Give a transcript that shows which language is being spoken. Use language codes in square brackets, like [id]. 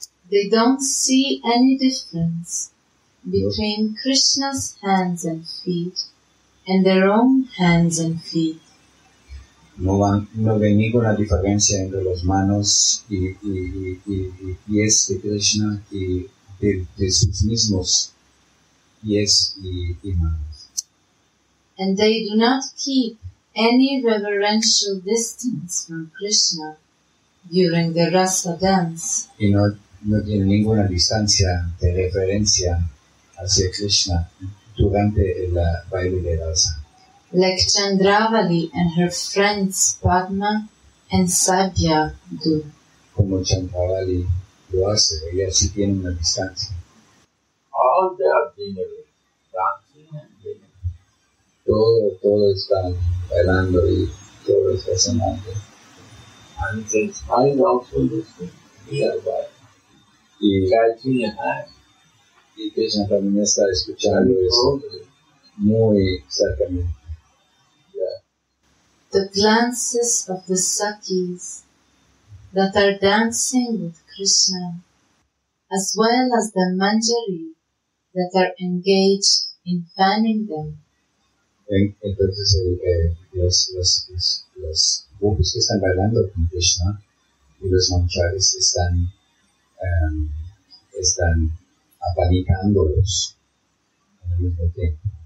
[en] They don't see any difference between Krishna's hands and feet and their own hands and feet. [es] No ven ninguna diferencia entre las manos y pies de Krishna y de sus mismos pies y manos. [en] And they do not keep any reverential distance from Krishna during the Rasa dance. [es] Y no tienen ninguna distancia de reverencia hacia Krishna durante el baile de Rasa. [en] Like Chandravali and her friends Padma and Sabya do. [es] Como Chandravali lo hace, ella sí tiene una distancia. [en] All they are jingling, dancing and jingling. [es] Todo está bailando y todo está sonando. [en] And the child also listening nearby. [es] Y Krishna también está escuchando eso. muy exactamente. [en] The glances of the Sakis that are dancing with Krishna, as well as the Manjari that are engaged in fanning them. [es] Entonces, los gopis que están bailando con Krishna y los Manjaris están, están apanicándolos al mismo tiempo.